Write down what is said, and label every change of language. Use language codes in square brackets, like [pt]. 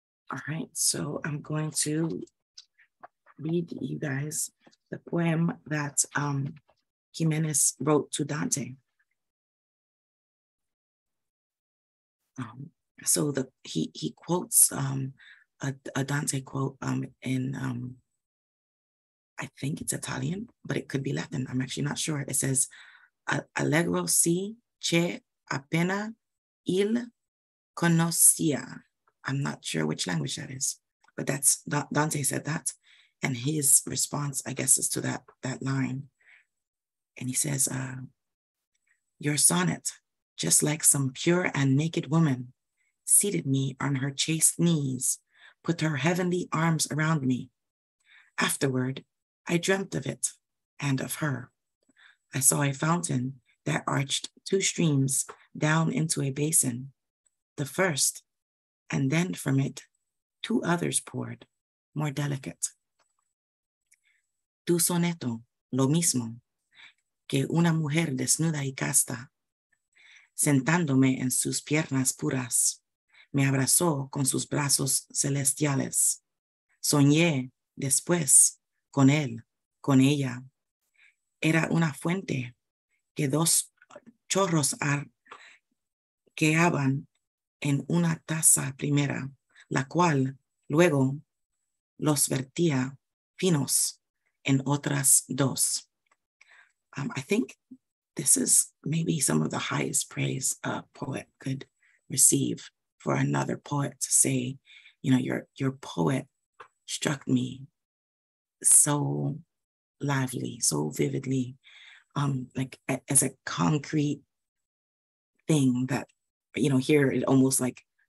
[en] All right, so I'm going to read you guys the poem that Jimenez wrote to Dante. So he quotes a Dante quote in I think it's Italian, but it could be Latin. I'm actually not sure. It says, [it] "Allegro si c'è appena il conoscia." [en] I'm not sure which language that is, but that's Dante said that. And his response, I guess, is to that line. And he says, "Your sonnet, just like some pure and naked woman, seated me on her chaste knees, put her heavenly arms around me. Afterward, I dreamt of it and of her. I saw a fountain that arched two streams down into a basin, the first, and then from it, two others poured, more delicate. [es] Tu soneto, lo mismo que una mujer desnuda y casta, sentándome en sus piernas puras, me abrazó con sus brazos celestiales. Soñé después con él, con ella. Era una fuente que dos chorros arqueaban en una taza primera, la cual luego los vertía finos en otras dos." [en] I think this is maybe some of the highest praise a poet could receive. For another poet to say, you know, your poet struck me so lively, so vividly, as a concrete thing that, you know, here it almost like